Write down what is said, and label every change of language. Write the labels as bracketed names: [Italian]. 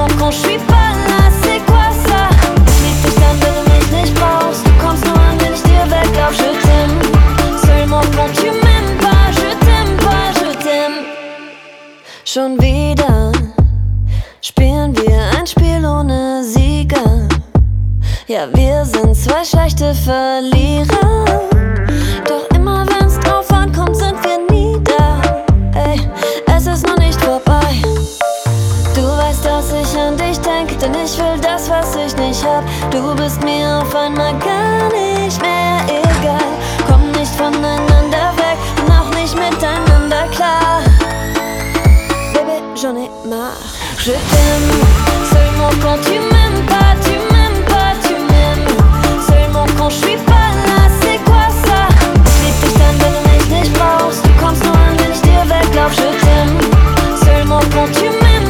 [French] Je suis pas là, c'est quoi ça? [German] Lieb dich dann, wenn du mich nicht brauchst. Du kommst nur an, wenn ich dir weglauf. [French] Je t'aime, seulement quand tu m'aimes pas. Je t'aime pas, je t'aime. [German] Schon wieder spielen wir ein Spiel ohne Sieger. Ja, wir sind zwei schlechte Verlierer. Doch immer wenn's drauf ankommt, sind wir nie da. Ey, es ist noch nicht vorbei. Du weißt, dass ich an dich denk, denn ich will das, was ich nicht hab. Du bist mir auf einmal gar nicht mehr egal. Komm nicht voneinander weg und auch nicht miteinander klar. [French] Baby, j'en ai marre. Je t'aime, seulement quand tu m'aimes pas. Tu m'aimes pas, tu m'aimes. Seulement quand je suis pas là, c'est quoi ça? [German] Lieb dich dann, wenn du mich nicht brauchst. Du kommst nur an, wenn ich dir weglauf. [French] Je t'aime, seulement quand tu m'aimes.